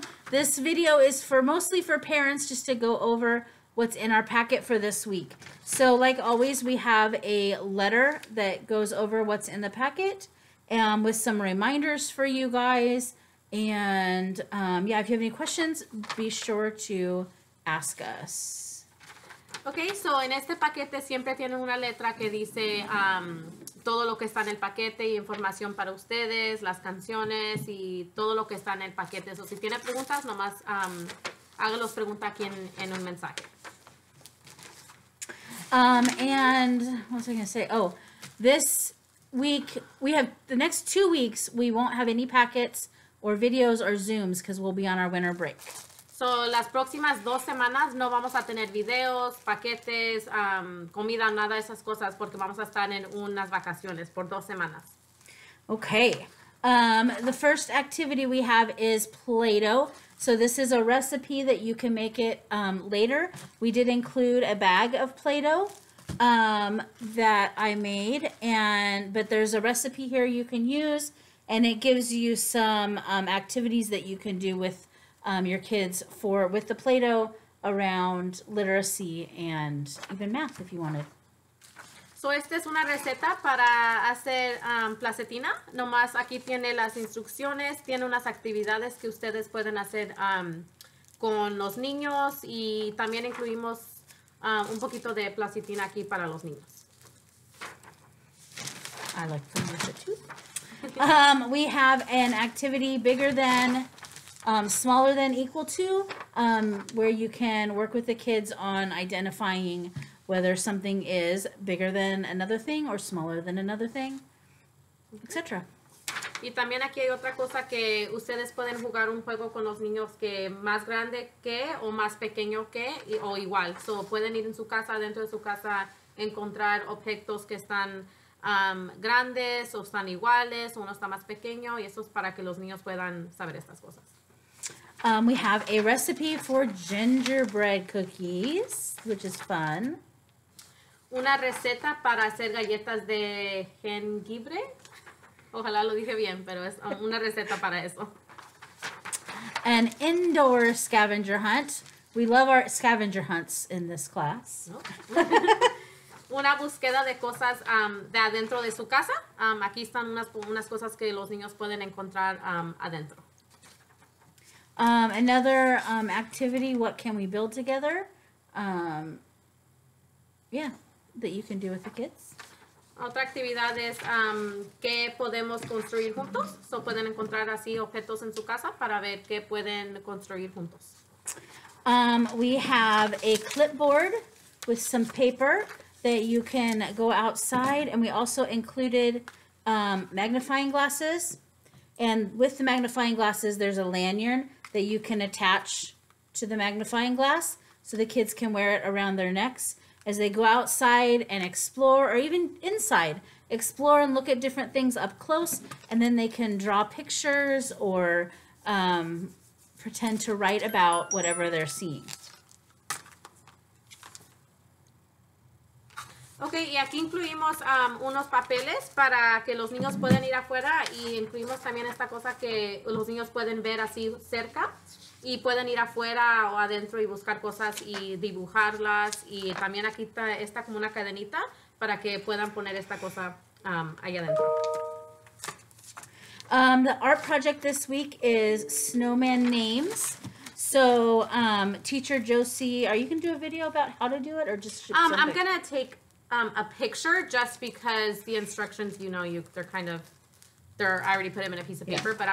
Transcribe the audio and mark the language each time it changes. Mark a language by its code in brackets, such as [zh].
[en] This video is mostly for parents, just to go over what's in our packet for this week. So like always, we have a letter that goes over what's in the packet with some reminders for you guys. And yeah, if you have any questions, be sure to ask us. [es] Okay, so en este paquete siempre tienen una letra que dice todo lo que está en el paquete y información para ustedes, las canciones y todo lo que está en el paquete. So, si tiene preguntas, nomás hágalos preguntas aquí en un mensaje. [en] And what was I going to say? Oh, this week, the next 2 weeks, we won't have any packets or videos or Zooms because we'll be on our winter break. [es] So, las próximas 2 semanas no vamos a tener videos, paquetes, comida, nada de esas cosas porque vamos a estar en unas vacaciones por 2 semanas. [en] Okay. The first activity we have is Play-Doh. So, this is a recipe that you can make it later. We did include a bag of Play-Doh that I made, but there's a recipe here you can use, and it gives you some activities that you can do with your kids with the Play-Doh around literacy and even math if you wanted. [es] So, esta es una receta para hacer placetina. Nomás aquí tiene las instrucciones, tiene unas actividades que ustedes pueden hacer con los niños y también incluimos un poquito de placetina aquí para los niños. [en] I like playing with it too. We have an activity bigger than, smaller than equal to, where you can work with the kids on identifying whether something is bigger than another thing or smaller than another thing, etc. [es] Y también aquí hay otra cosa que ustedes pueden jugar un juego con los niños que más grande que o más pequeño que o igual. So pueden ir en su casa, dentro de su casa, encontrar objetos que están grandes o están iguales, uno está más pequeño y eso es para que los niños puedan saber estas cosas. [en] We have a recipe for gingerbread cookies, which is fun. [es] Una receta para hacer galletas de jengibre. Ojalá lo dije bien, pero es una receta para eso. [en] An indoor scavenger hunt. We love our scavenger hunts in this class. Oh. [es] Una búsqueda de cosas de adentro de su casa. Aquí están unas cosas que los niños pueden encontrar adentro. [en] Another activity, what can we build together? Yeah, that you can do with the kids. [es] Otra actividad es qué podemos construir juntos. So pueden encontrar así objetos en su casa para ver qué pueden construir juntos. [en] We have a clipboard with some paper that you can go outside. And we also included magnifying glasses. And with the magnifying glasses, there's a lanyard that you can attach to the magnifying glass so the kids can wear it around their necks as they go outside and explore, or even inside, explore and look at different things up close, and then they can draw pictures or pretend to write about whatever they're seeing. [es] Okay, y aquí incluimos unos papeles para que los niños puedan ir afuera y incluimos también esta cosa que los niños pueden ver así cerca y pueden ir afuera o adentro y buscar cosas y dibujarlas y también aquí está como una cadenita para que puedan poner esta cosa allá adentro. [en] The art project this week is snowman names. So, teacher Josie, are you going to do a video about how to do it or just I'm going to take a picture just because the instructions, you know, they're I already put them in a piece of paper, yeah.